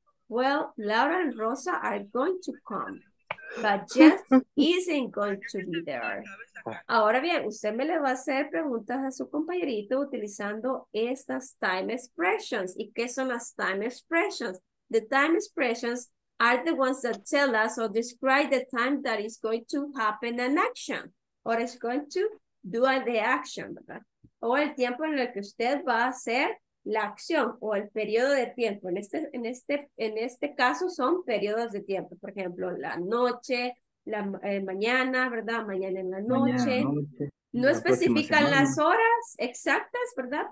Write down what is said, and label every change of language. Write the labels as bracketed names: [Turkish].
[English] Well, Laura and Rosa are going to come, but Jeff isn't going to be there. [Spanish] Ahora bien, usted me le va a hacer preguntas a su compañerito utilizando estas time expressions. ¿Y qué son las time expressions? [English] The time expressions are the ones that tell us or describe the time that is going to happen an action or is going to do the action, ¿verdad? [Spanish] o el tiempo en el que usted va a hacer la acción o el periodo de tiempo. En este caso son periodos de tiempo. Por ejemplo, la noche, la mañana, ¿verdad? Mañana en la noche. No especifican las horas exactas, ¿verdad?